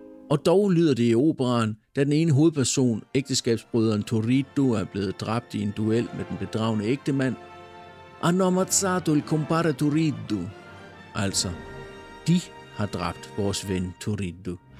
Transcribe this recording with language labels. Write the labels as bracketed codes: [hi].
[da] Og dog lyder det i operaen, da den ene hovedperson, ægteskabsbryderen Torrito, er blevet dræbt i en duel med den bedragne ægtemand. [it] Hanno ammazzato il compare Torrito. [da] Altså, de har dræbt vores ven Torrito.